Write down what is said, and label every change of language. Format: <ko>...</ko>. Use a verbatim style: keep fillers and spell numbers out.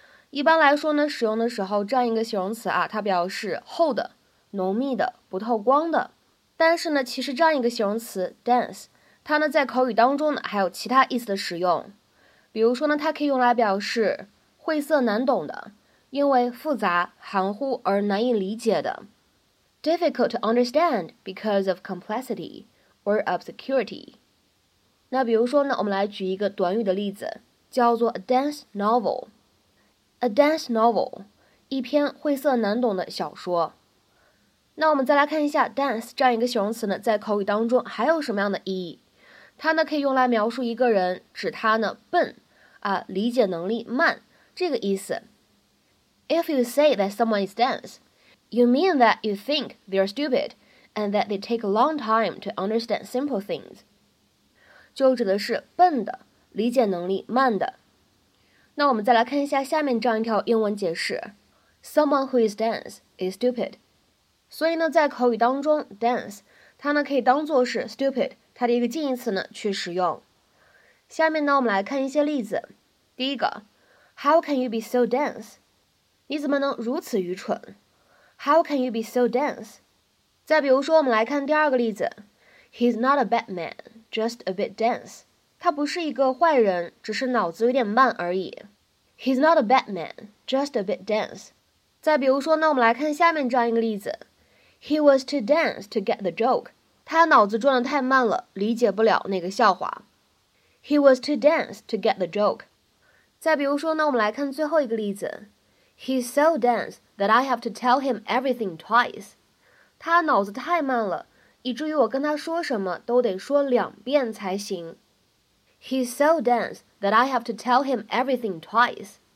<zh>一般来说呢，使用的时候这样一个形容词啊，它表示厚的、浓密的、不透光的。但是呢，其实这样一个形容词 dense， 它呢在口语当中呢还有其他意思的使用。比如说呢，它可以用来表示晦涩难懂的，因为复杂、含糊而难以理解的。</zh> <en>Difficult to understand because of complexity or obscurity。</en> <zh>那比如说呢，我们来举一个短语的例子，叫做</zh> <en>a dense novel。 A dense novel，</en> <zh>一篇晦涩难懂的小说。那我们再来看一下 dense 这样一个形容词呢，在口语当中还有什么样的意义？它呢可以用来描述一个人，指他呢笨啊，理解能力慢这个意思。</zh> <en>If you say that someone is dense, you mean that you think they're stupid and that they take a long time to understand simple things.</en> <zh>就指的是笨的，理解能力慢的。那我们再来看一下下面这样一条英文解释</zh> <en>Someone who is dense is stupid。</en> <zh>所以呢在口语当中 dense 它呢可以当作是 stupid 它的一个近义词呢去使用。下面呢我们来看一些例子。</zh> <en>第一个 How can you be so dense？</en> <zh>你怎么能如此愚蠢？</zh> <en>How can you be so dense？</en> <zh>再比如说我们来看第二个例子</zh> <en>He's not a bad man, just a bit dense。</en> <zh>他不是一个坏人，只是脑子有点慢而已。</zh> <en>He's not a bad man, just a bit dense。</en> <zh>再比如说呢，我们来看下面这样一个例子。</zh> <en>He was too dense to get the joke。</en> <zh>他脑子转得太慢了，理解不了那个笑话。</zh> <en>He was too dense to get the joke.</en> <zh>再比如说呢，我们来看最后一个例子。</zh> <en>He's so dense that I have to tell him everything twice.</en> <zh>他脑子太慢了，以至于我跟他说什么都得说两遍才行。</zh> <en>He's so dense that I have to tell him everything twice.</en>